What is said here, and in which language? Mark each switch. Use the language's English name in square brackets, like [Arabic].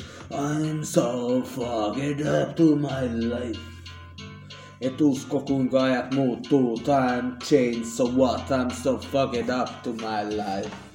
[English] I'm so fucked up to my life. [Finnish] Et usko kuinka ajat muuttuu. [English] Time change, so what? I'm so fucked up to my life.